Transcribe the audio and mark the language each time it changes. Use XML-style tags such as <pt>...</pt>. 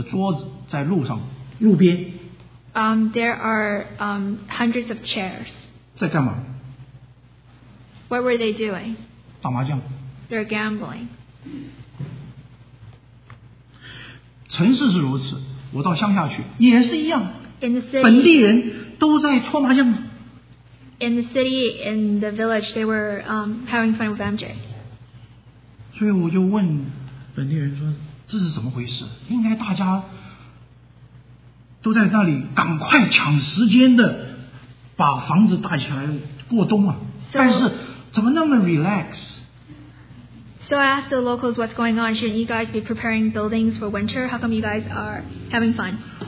<zh>100多桌的桌子在路上，路边。</zh> <en>There are hundreds of chairs.</en> <zh>在干嘛？</zh> <en>What were they doing?</en> <zh>打麻将。</zh> <en>They're gambling.</en> <zh>城市是如此, 我到乡下去, 也是一样,</zh> <en>in the city,</en> <zh>本地人都在搓麻将,</zh> <en>in the city, in the village, they were having fun with MJ.</en> <zh>所以我就问本地人说, 这是怎么回事? 应该大家都在那里, 赶快抢时间的把房子带起来, 过冬啊,</zh> <en>so,</en> <zh>但是怎么那么relax?</zh> <en>So I asked the locals what's going on. Shouldn't you guys be preparing buildings for winter? How come you guys are having fun?</en>